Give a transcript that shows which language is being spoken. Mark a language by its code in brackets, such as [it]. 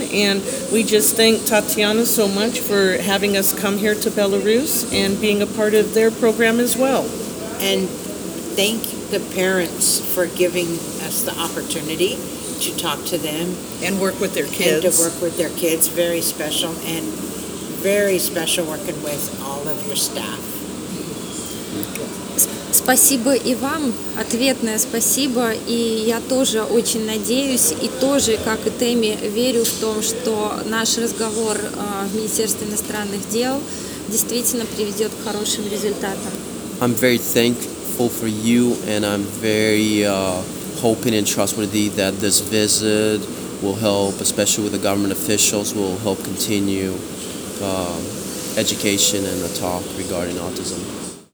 [en] And we just thank Tatiana so much for having us come here to Belarus and being a part of their program as well. And thank the parents for giving us the opportunity to talk to them. And work with their kids. And to work with their kids. Very special. And very special working with all of your staff. [ru] Спасибо и вам, ответное спасибо, и я тоже очень надеюсь, и тоже, как и Тэмми, верю в том, что наш разговор в Министерстве иностранных дел действительно приведет к хорошим результатам. [en] I'm very thankful for you, and I'm very hoping and trustworthy that this visit will help, especially with the government officials, will help continue education and the talk regarding autism.